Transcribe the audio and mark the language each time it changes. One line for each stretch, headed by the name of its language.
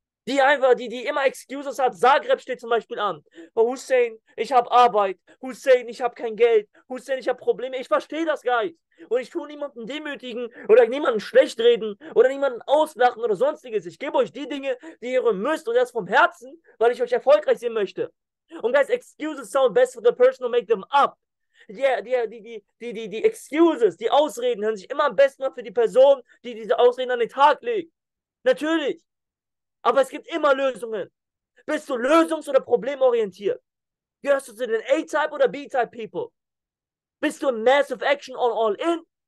German: Die einfach, die immer Excuses hat. Zagreb steht zum Beispiel an. Aber Hussein, ich habe Arbeit. Hussein, ich habe kein Geld. Hussein, ich habe Probleme. Ich verstehe das gar nicht. Und ich tue niemanden demütigen oder niemanden schlecht reden oder niemanden auslachen oder sonstiges. Ich gebe euch die Dinge, die ihr müsst und das vom Herzen, weil ich euch erfolgreich sehen möchte.
English: Und guys, excuses sound best for the person who make them up.
German: Yeah, die excuses, die Ausreden hören sich immer am besten an für die Person, die diese Ausreden an den Tag legt. Natürlich. Aber es gibt immer Lösungen. Bist du lösungs- oder problemorientiert? Gehörst du zu den A-Type oder B-Type-People? Bist du in Massive Action on All In?